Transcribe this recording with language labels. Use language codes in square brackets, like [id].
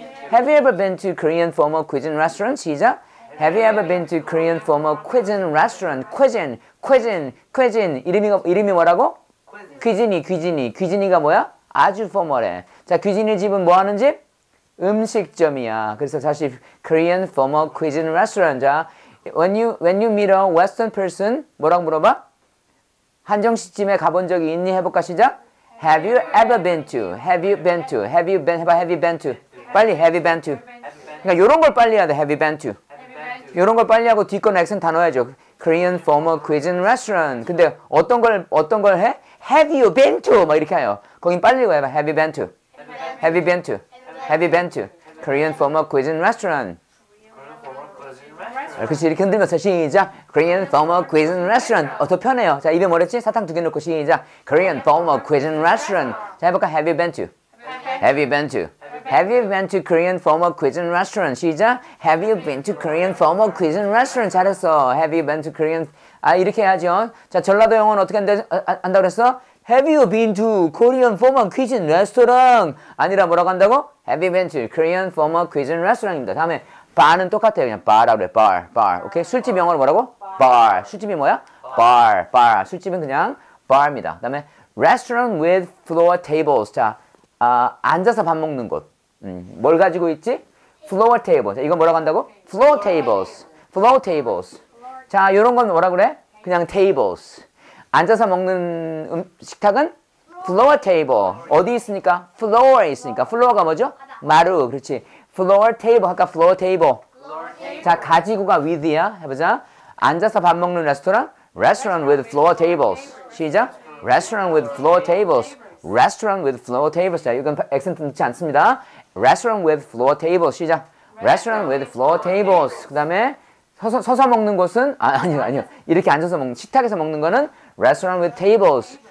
[en] Have you ever been to Korean formal cuisine restaurant? [ko] 시작. [en] Have you ever been to Korean formal cuisine restaurant? Cuisine, cuisine, cuisine. [ko] 이름이 뭐라고? [en] Cuisine, cuisine. [ko] Cuisine가 뭐야? 아주 formal해. 자, cuisine 집은 뭐 하는 집? 음식점이야. 그래서 다시 [en] Korean formal cuisine restaurant. 자, when you meet a Western person, [ko] 뭐라고 물어봐? 한정식집에 가본 적이 있니? 해볼까? 시작. [en] Have you ever been to? Have you been to? Have you been? 해봐. Have you been to? 빨리. Have you been to? [ko] 그러니까 이런 걸 빨리 해야 돼. [en] Have you been to? [ko] 이런 걸 빨리 하고 뒷건 액센트 다 넣어야죠. [en] Korean formal cuisine restaurant. [ko] 근데 어떤 걸 해? [en] Have you been to? [ko] 막 이렇게 해요. 거긴 빨리 해봐. [en] Have you been to? Have you been to? Have you been to? Korean formal cuisine restaurant. [ko] 그렇지. 이렇게 흔들면서 시작. [en] Korean formal cuisine restaurant. [ko] 더 편해요. 자, 입에 뭐랬지? 사탕 두 개 넣고 시작. [en] Korean formal cuisine restaurant. [ko] 자, 해볼까? [en] Have you been to? Have you been to? Have you been to Korean formal cuisine restaurant? [ko] 시작. [en] Have you been to Korean formal cuisine restaurant? [ko] 잘했어. [en] Have you been to Korean... [ko] 이렇게 해야죠. 자, 전라도 영어는 어떻게 한다고 그랬어? [en] Have you been to Korean formal cuisine restaurant? [ko] 아니라 뭐라고 한다고? [en] Have you been to Korean formal cuisine restaurant입니다. [ko] 다음에 바는 똑같아요. 그냥 바라고 그래. 바, 바. 오케이. 술집 영어로 뭐라고? 바. 술집이 뭐야? 바, 바. 술집은 그냥 바입니다. 그 다음에 [en] restaurant with floor tables. [ko] 자, 앉아서 밥 먹는 곳. 뭘 가지고 있지? Floor tables. 이건 뭐라고 한다고? [en] Floor tables. Floor tables. [ko] 자, 이런 건 뭐라고 그래? 그냥 tables. 앉아서 먹는 식탁은 floor table. 어디 있으니까? Floor 있으니까. Floor가 뭐죠? 마루. 그렇지. Floor table. 아까 floor table. [en] Floor table. [ko] 자, 가지고가 with야. 해보자. 앉아서 밥 먹는 레스토랑. [en] Restaurant with floor tables. [ko] 시작. [en] Restaurant with floor tables. Restaurant with floor tables. [ko] 자, 이건 액센트 넣지 않습니다. [en] Restaurant with floor tables. 시작. Restaurant with floor tables. [ko] 그 다음에 서서 먹는 곳은 아니요. 이렇게 앉아서 먹는 식탁에서 먹는 거는 [en] restaurant with tables.